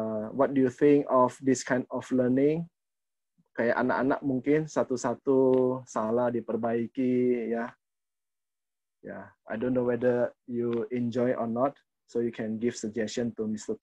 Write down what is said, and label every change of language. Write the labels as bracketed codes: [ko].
[en] What do you think of this kind of learning? [id] Kayak anak-anak mungkin satu-satu salah diperbaiki, ya. [en] Ya, yeah. I don't know whether you enjoy or not, so you can give suggestion to Mr.